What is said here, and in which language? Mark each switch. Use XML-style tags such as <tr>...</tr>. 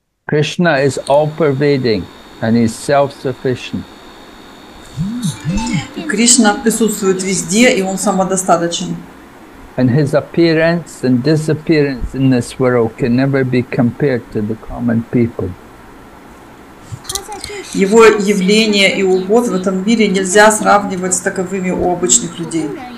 <en>Krishna is all-pervading and he's self-sufficient.</en> <ru>Krishna присутствует везде и он самодостаточен.</ru> <en>And his appearance and disappearance in this world can never be compared to the common people.</en> <ru>Его явление и уход в этом мире нельзя сравнивать с таковыми у обычных людей.</ru>